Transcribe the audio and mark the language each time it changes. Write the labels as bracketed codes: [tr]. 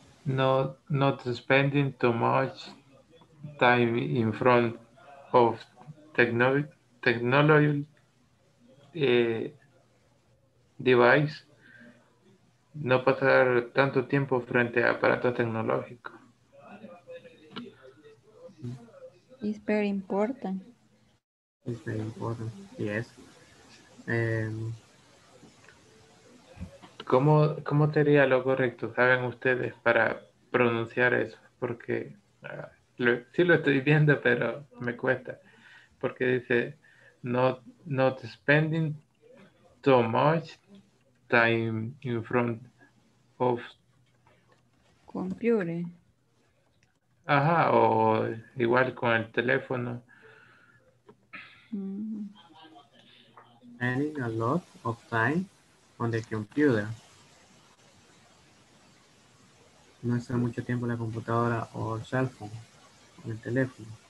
[en] Not spending too much time in front of technology device. [es] No pasar tanto tiempo frente a aparatos tecnológicos. [en] It's very important. It's very important, yes. [es] ¿Cómo sería lo correcto, saben ustedes, para pronunciar eso? Porque sí lo estoy viendo, pero me cuesta. Porque dice, [en] not spending too much time in front of computer. [es] Ajá, o igual con el teléfono. [en] Spending a lot of time on the computer. [es] No está mucho tiempo en la computadora o el cell phone, con el teléfono.